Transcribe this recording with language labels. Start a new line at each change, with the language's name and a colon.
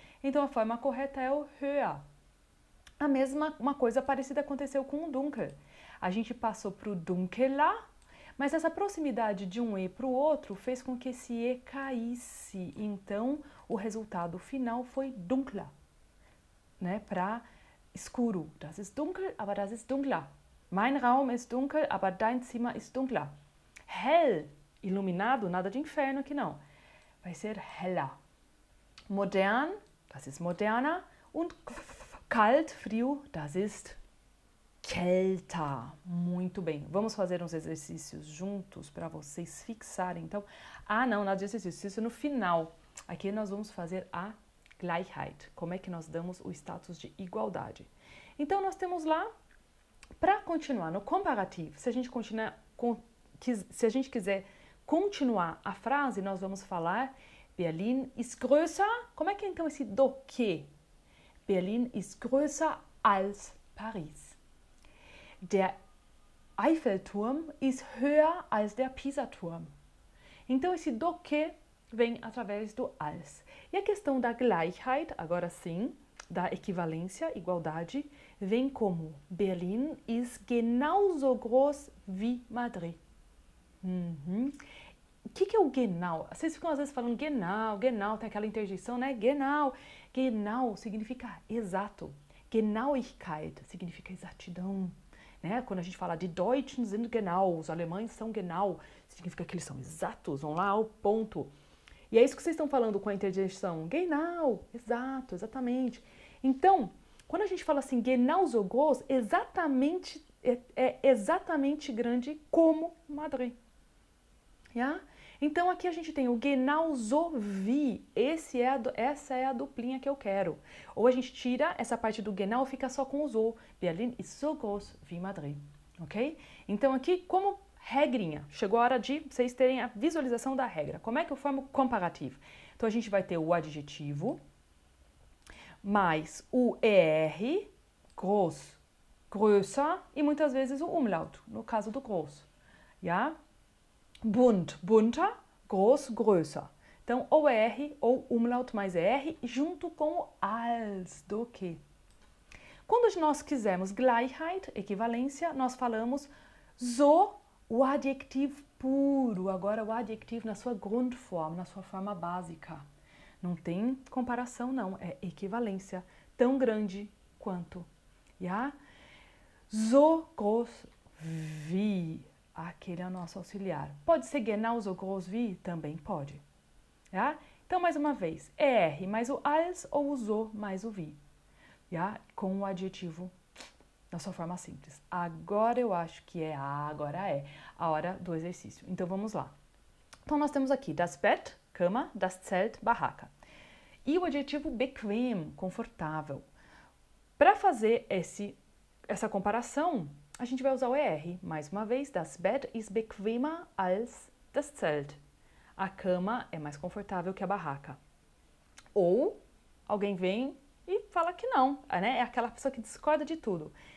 Portuguese: Então a forma correta é o höa. A mesma uma coisa parecida aconteceu com o dunkel. A gente passou pro dunkela. Mas essa proximidade de um E para o outro fez com que esse E caísse. Então, o resultado final foi dunkler, né? Para escuro.
German: Das ist dunkel, aber das ist dunkler. Mein Raum ist dunkel, aber dein Zimmer ist dunkler.
Portuguese: Hell, iluminado, nada de inferno aqui não. Vai ser heller.
German: Modern, das ist moderner. Und kalt, frio, das ist Kälter.
Portuguese: Muito bem. Vamos fazer uns exercícios juntos para vocês fixarem. Então, ah, não, nada de exercício, isso é no final. Aqui nós vamos fazer a Gleichheit. Como é que nós damos o status de igualdade? Então, nós temos lá, para continuar no comparativo, se a gente continuar, se a gente quiser continuar a frase, nós vamos falar
German: Berlin ist größer.
Portuguese: Como é que é, então, esse do quê?
German: Berlin ist größer als Paris. Der Eiffelturm ist höher als der Pisa-Turm.
Portuguese: Então, esse do que vem através do als. E a questão da Gleichheit, agora sim, da equivalência, igualdade, vem como
German: Berlin ist genauso groß wie Madrid.
Portuguese: Que é o genau? Vocês ficam às vezes falando genau, genau, tem aquela interjeição, né? Genau. Genau significa exato. Genauigkeit significa exatidão. Né? Quando a gente fala de
German: Deutschen sind genau,
Portuguese: os alemães são genau, significa que eles são exatos, vão lá ao ponto. E é isso que vocês estão falando com a interjeição, genau, exato, exatamente. Então, quando a gente fala assim, genauso groß, exatamente, é exatamente grande como Madrid. Yeah? Então, aqui a gente tem o genauso wie, essa é a duplinha que eu quero. Ou a gente tira essa parte do genau e fica só com o so.
German: Berlin ist so groß wie Madrid.
Portuguese: Ok? Então, aqui, como regrinha, chegou a hora de vocês terem a visualização da regra. Como é que eu formo comparativo? Então, a gente vai ter o adjetivo mais o er, groß, größer, e muitas vezes o umlaut, no caso do groß. Já? Yeah?
German: Bunt, bunter, groß, größer.
Portuguese: Então, ou R ou umlaut mais R junto com o als, do que. Quando nós quisermos Gleichheit, equivalência, nós falamos so, o adjetivo puro. Agora, o adjetivo na sua Grundform, na sua forma básica. Não tem comparação, não. É equivalência tão grande quanto. Já? Zogosvi. Aquele é o nosso auxiliar. Pode ser genau zogosvi? Também pode. Já? Então, mais uma vez. ER mais o als ou o zo mais o vi. Já? Com o adjetivo na sua forma simples. Agora eu acho que é. Agora é a hora do exercício. Então, vamos lá. Então, nós temos aqui das Bett, cama, das Zelt, barraca. E o adjetivo bequem, confortável. Para fazer essa comparação, a gente vai usar o ER.
German: Mais uma vez, das Bett ist bequemer als das Zelt.
Portuguese: A cama é mais confortável que a barraca. Ou alguém vem e fala que não, né? É aquela pessoa que discorda de tudo.